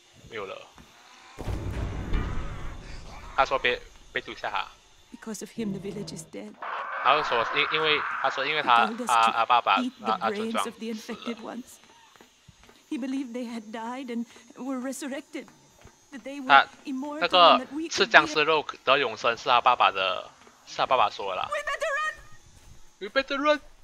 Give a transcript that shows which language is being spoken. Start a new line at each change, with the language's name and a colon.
Chinese: 没有了。他说别丢下他。
English: Because of him, the village is dead.
Chinese: 然后说因为他说因为他爸爸他村庄死了。
English: He believed they had died and were resurrected, that they were immortal.
Chinese: 那个吃僵尸肉得永生是他爸爸的，是他爸爸说的啦。
English: We better run. We better run.